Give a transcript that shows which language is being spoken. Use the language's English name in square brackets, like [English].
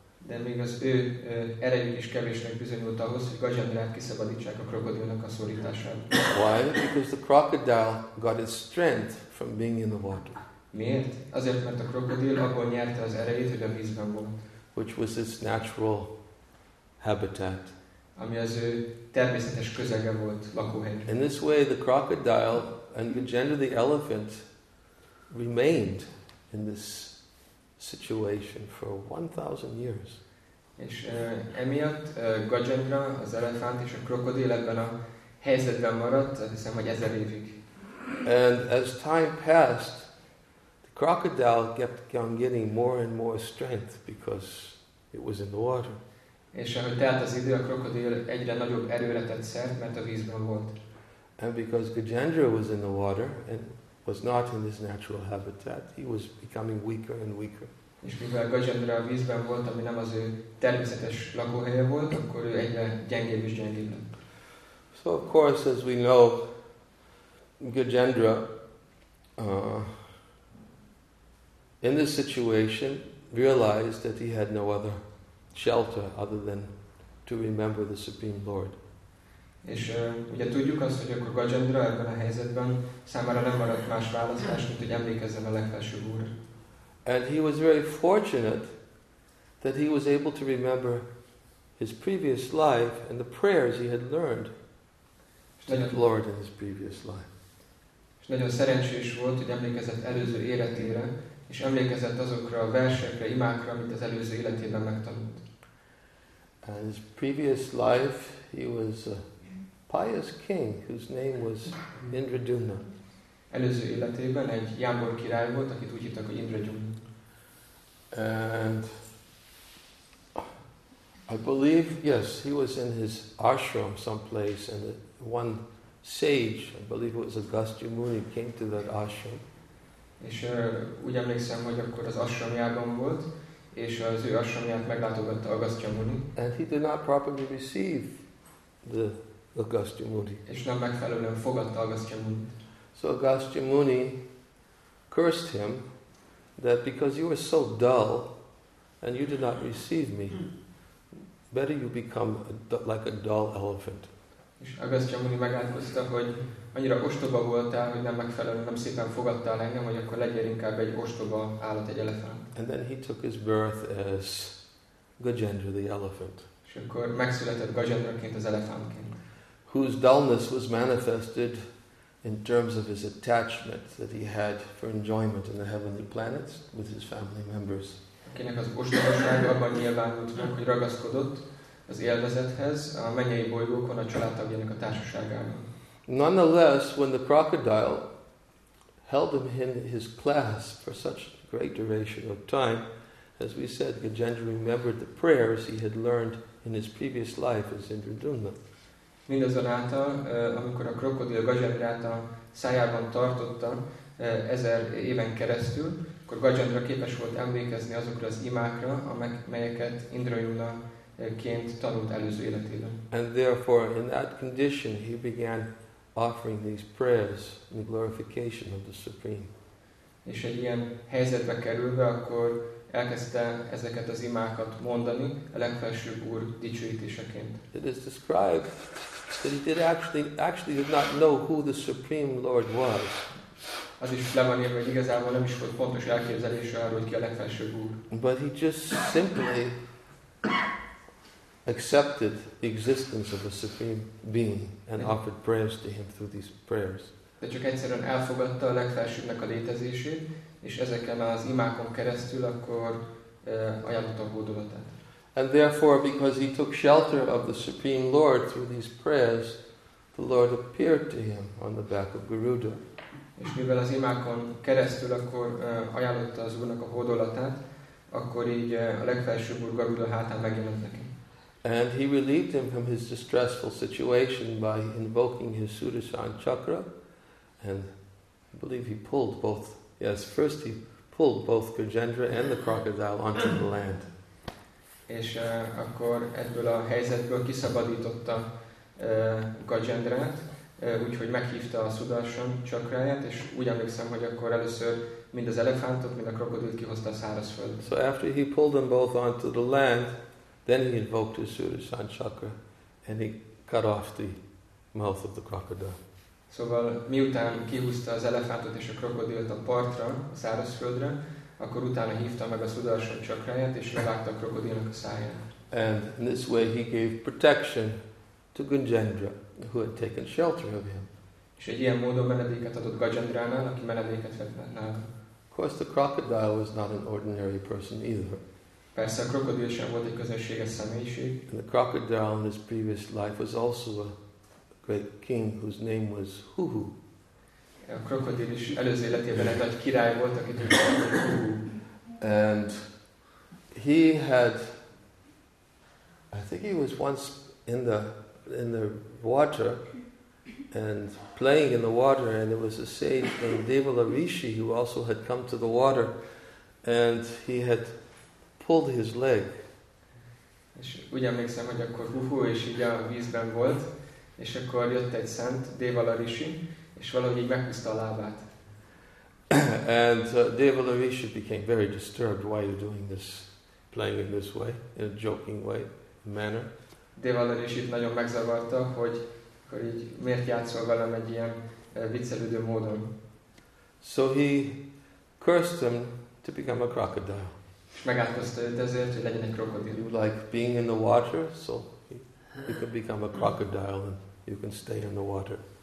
[Hungarian] De még az ő erejük is kevésnek bizonyult ahhoz, hogy Gajendrát kiszabadítsák a krokodilnak a szorításából. [English] Why? Because the crocodile got its strength from being in the water. [Hungarian] Miért? Azért, mert a krokodil abból nyerte az erejét, hogy a vízben volt. [English] Which was its natural habitat. [Hungarian] Ami az ő természetes közege volt, lakóhely. [English] In this way, the crocodile and Gajendra the elephant remained in this situation for 1,000 years. [Hungarian] És emiatt Gajendra, az elefánt és a krokodil ebben a helyzetben maradt, hiszem, hogy 1000 évig. [English] And as time passed, the crocodile kept on getting more and more strength because it was in the water. [Hungarian] És ahogy telt az idő, a krokodil egyre nagyobb erőre tett szert, mert a vízben volt. [English] And because Gajendra was in the water and was not in his natural habitat, he was becoming weaker and weaker. [Hungarian] És mivel Gajendra a vízben volt, ami nem az ő természetes lakóhelye volt, akkor ő egyre gyengébb és gyengébb. [English] So of course, as we know, Gajendra, in this situation, realized that he had no other shelter other than to remember the Supreme Lord. [Hungarian] És ugye tudjuk azt, hogy akkor Gajendra ebben a helyzetben számára nem maradt más választás, mint hogy emlékezzen a legfelsőbb úrra. [English] And he was very fortunate that he was able to remember his previous life and the prayers he had learned from the Lord in his previous life. [Hungarian] És nagyon szerencsés volt, hogy emlékezett előző életére, és emlékezett azokra a versekre, imákra, amit az előző életében megtanult. [English] And his previous life, he was a pious king whose name was Indradyumna. [Hungarian] Előző életében egy jámbor király volt, akit úgy hívtak, hogy Indradyumna. [English] And I believe, yes, he was in his ashram someplace, and one sage, I believe it was Agastyamuni, came to that ashram. [Hungarian] És úgy emlékszem, hogy akkor az ashramjában volt, és az ő ashramját meglátogatta Agastyamuni. [English] And he did not properly receive the Agastyamuni. [Hungarian] És nem megfelelően fogadta Agastyamunit. [English] So Agastyamuni cursed him that because you were so dull and you did not receive me, better you become like a dull elephant. [Hungarian] És Agastyamuni megálkozta, hogy annyira ostoba voltál, hogy nem megfelelően, nem szépen fogadtál engem, hogy akkor legyél inkább egy ostoba állat, egy elefánt. [English] And then he took his birth as Gajendra the elephant. [Hungarian] És akkor megszületett Gajendraként, az elefántként. [English] Whose dullness was manifested in terms of his attachment that he had for enjoyment in the heavenly planets with his family members. [Hungarian] Akinek az ostobasága abban nyilvánult meg, hogy ragaszkodott az élvezethez a mennyei bolygókon a családtagjának a társaságában. [English] Nonetheless, when the crocodile held him in his clasp for such a great duration of time, as we said, Gajendra remembered the prayers he had learned in his previous life as Indradyumna. [Hungarian] Mindazonáltal, amikor a krokodil Gajendrát a szájában tartotta ezer éven keresztül, akkor Gajendra képes volt emlékezni azokra az imákra, amelyeket Indrajuna-ként tanult előző életében. [English] And therefore, in that condition, he began offering these prayers in the glorification of the Supreme. [Hungarian] És egy ilyen helyzetbe kerülve, akkor elkezdte ezeket az imákat mondani a legfelsőbb úr dicsőítéseként. [English] It is described that he actually did not know who the Supreme Lord was. [Hungarian] Az is le van írva, hogy igazából nem is volt pontos elképzelése arról, hogy ki a legfelsőbb úr. [English] But he just simply accepted the existence of a supreme being and offered prayers to him through these prayers. [Hungarian] De csak egyszerűen elfogadta a legfelsőbbnek a létezését, és ezeken az imákon keresztül akkor ajánlott a hódolatát. [English] And therefore, because he took shelter of the Supreme Lord through these prayers, the Lord appeared to him on the back of Garuda. [Hungarian] És mivel az imákon keresztül akkor ajánlotta az Úrnak a hódolatát, akkor így a legfelsőbb úr Garuda hátán megjelent neki. [English] And he relieved him from his distressful situation by invoking his Sudarshan Chakra, and I believe he pulled both. Yes, first he pulled both Gajendra and the crocodile onto the land. [Hungarian] És akkor ebből a helyzetből kiszabadította Gajendrát, úgyhogy meghívta a Sudarshan csakráját, és úgy emlékszem, hogy akkor először mind az elefántot, mind a krokodilt kihozta a szárazföld. [English] So after he pulled them both onto the land, then he invoked his Sudarshan chakra, and he cut off the mouth of the crocodile. [Hungarian] Szóval miután kihúzta az elefántot és a krokodilt a partra, a szárazföldre, akkor utána hívta meg a Sudarshan csakráját, és levágta a krokodilnak a száját. [English] And in this way he gave protection to Gajendra, who had taken shelter of him. [Hungarian] És egy ilyen módon menedéket adott Gajendránál, aki menedéket vett nála. [English] Of course the crocodile was not an ordinary person either. [Hungarian] Persze a krokodil sem volt egy közönséges személyiség. [English] And the crocodile in his previous life was also a great king whose name was Huhu. [Hungarian] A krokodil is előző életében egy nagy király volt, akit ő Huhu. [English] And he had, I think he was once in the water and playing in the water, and there was a sage named Devala Rishi who also had come to the water, and he had pulled his leg. [Hungarian] És úgy emlékszem, hogy akkor Huhu és így a vízben volt, és akkor jött egy szent, Devala Rishi, és valahogy így meghúzta a lábát. [English] And Devala Rishi became very disturbed, why are you doing this, playing in this way, in a joking way, manner. [Hungarian] Devala Rishit nagyon megzavarta, hogy így miért játszol velem egy ilyen viccelődő módon. [English] So he cursed him to become a crocodile. [Hungarian] És megátkozta őt ezért, hogy legyen egy krokodil. [English] You like being in the water, so you can become a crocodile and you can stay in the water.